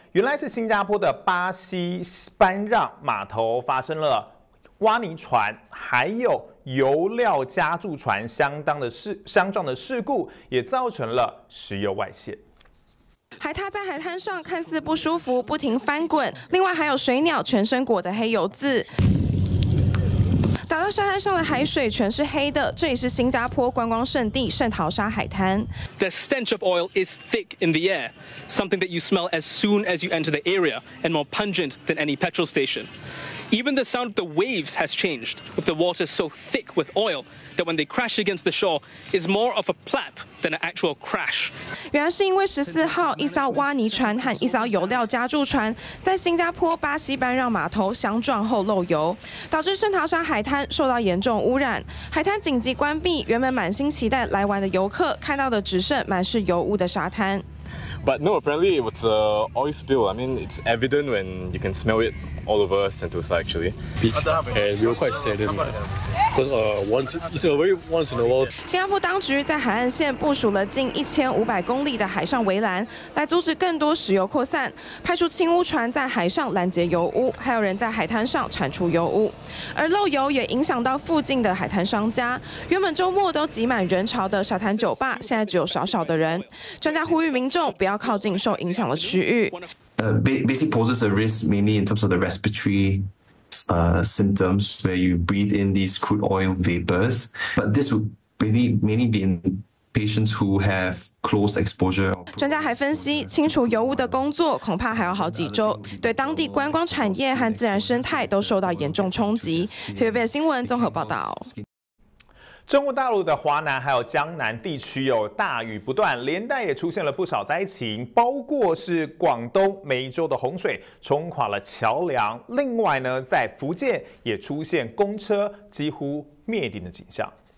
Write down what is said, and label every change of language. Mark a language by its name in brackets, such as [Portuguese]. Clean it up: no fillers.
[Chinese] 原来是新加坡的巴西班让码头发生了挖泥船，还有油料加注船相撞的事故，也造成了石油外泄。还踏在海滩上，看似不舒服，不停翻滚。另外还有水鸟全身裹的黑油渍，打到沙滩上的海水全是黑的。这里是新加坡观光圣地圣淘沙海滩。 [English] The stench of oil is thick in the air, something that you smell as soon as you enter the area, and more pungent than any petrol station. Even the sound of the waves has changed, with the water so thick with oil that when they crash against the shore, it's more of a plap than an actual crash. [Chinese] 原来是因为14号一艘挖泥船和一艘油料加注船在新加坡巴西班让码头相撞后漏油，导致圣淘沙海滩受到严重污染，海滩紧急关闭，原本满心期待来玩的游客看到的只剩满是油污的沙滩。 [English] But no, apparently it was oil spill. I mean, it's evident when you can smell it all over Sentosa, actually. And you're quite sad, isn't it? Because it's a very once in a while. [Chinese] 新加坡当局在海岸线部署了近1500公里的海上围栏，来阻止更多石油扩散，派出轻污船在海上拦截油污，还有人在海滩上铲除油污。而漏油也影响到附近的海滩商家，原本周末都挤满人潮的沙滩酒吧，现在只有少少的人。专家呼吁民众不要靠近受影响的区域。 [English] Basically poses a risk mainly in terms of the respiratory symptoms where you breathe in these crude oil vapors. But this would mainly be in patients who have close exposure. [Chinese] 专家还分析，清除油污的工作恐怕还要好几周，对当地观光产业和自然生态都受到严重冲击。 TVBS 新闻综合报道。中国大陆的华南还有江南地区有大雨不断，连带也出现了不少灾情，包括是广东梅州的洪水冲垮了桥梁，另外呢，在福建也出现公车几乎灭顶的景象。